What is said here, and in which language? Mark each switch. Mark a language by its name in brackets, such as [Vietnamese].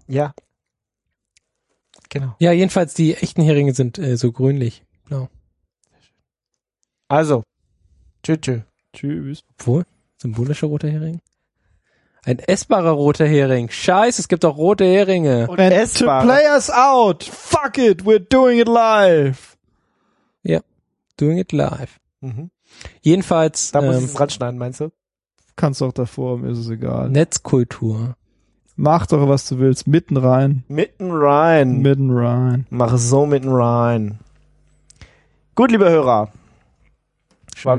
[German] Ja. Genau. Ja, jedenfalls die echten Heringe sind so grünlich. Blau. Also. Tschüss. Obwohl, symbolischer roter Hering. Ein essbarer roter Hering. Scheiße, es gibt auch rote Heringe. Und essbar. [English] To play us out. Fuck it, we're doing it live. Ja, doing it live. [German] Jedenfalls. Da muss ich es dran schneiden, meinst du? Kannst du auch davor, mir ist es egal. Netzkultur. Mach doch, was du willst. Mitten rein. Mitten rein. Mitten rein. Mach es so mitten rein. Gut, liebe Hörer. Schön.